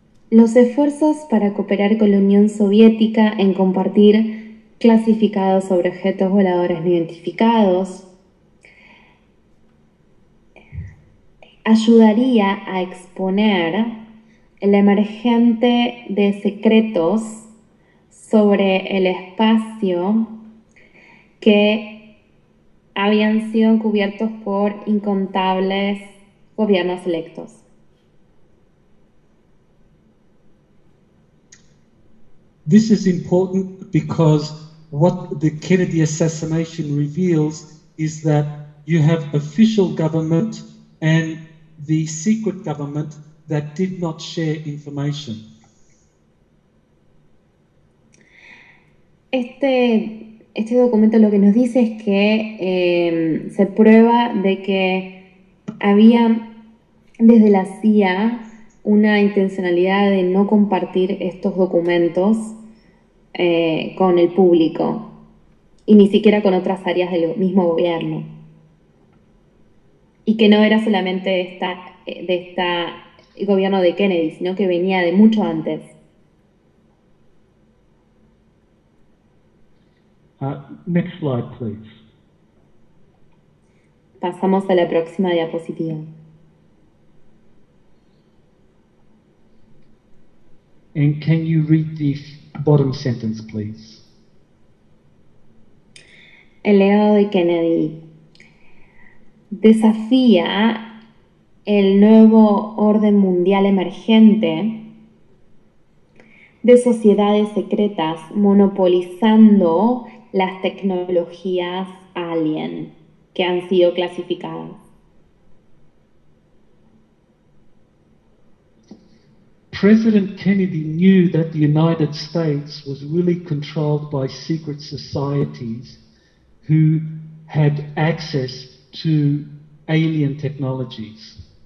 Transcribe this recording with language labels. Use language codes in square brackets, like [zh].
[es] Los esfuerzos para cooperar con la Unión Soviética en compartir clasificados sobre objetos voladores no identificados ayudaría a exponer el emergente de secretos sobre el espacio que habían sido cubiertos por incontables gobiernos electos. [en] This is important because what the Kennedy assassination reveals is that you have official government and the secret government that did not share information. [es] Este documento lo que nos dice es que se prueba de que había desde la CIA una intencionalidad de no compartir estos documentos con el público y ni siquiera con otras áreas del mismo gobierno. Y que no era solamente de esta gobierno de Kennedy, sino que venía de mucho antes. [en] Next slide, please. [es] Pasamos a la próxima diapositiva. [en] And can you read the bottom sentence, please? [es] El legado de Kennedy desafía el nuevo orden mundial emergente de sociedades secretas monopolizando las tecnologías alien que han sido clasificadas. [en] President Kennedy knew that the United States was really controlled by secret societies who had access to alien technologies.